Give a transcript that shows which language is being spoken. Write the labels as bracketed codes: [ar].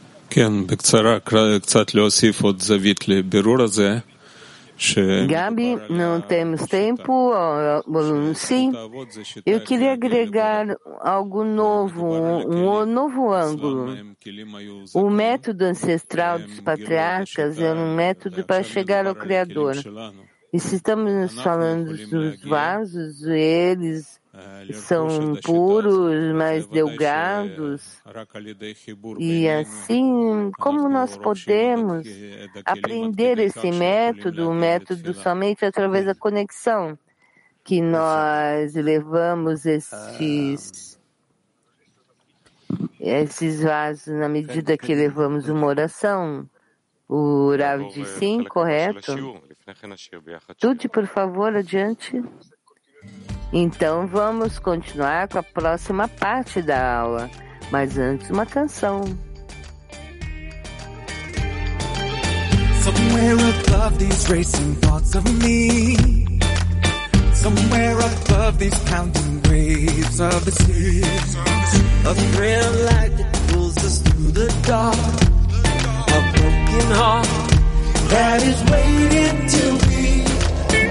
[he] כן, בקצרה, קצת להוסיף עוד זווית לבירור הזה. [pt] Gabi, não temos tempo, sim, eu queria agregar algo novo, um novo ângulo. O método ancestral dos patriarcas é um método para chegar ao Criador. E se estamos falando dos vasos, eles são puros, mas delgados, e assim, como nós podemos aprender esse método, o método somente através da conexão, que nós levamos esses vasos na medida que levamos uma oração, o Rav diz sim, correto? Tudo, por favor, adiante. Então vamos continuar com a próxima parte da aula, mas antes uma canção. [en] Somewhere above these racing thoughts of me, somewhere above these pounding waves of the sea, a thrill light that pulls us through the dark, a broken heart that is waiting to be.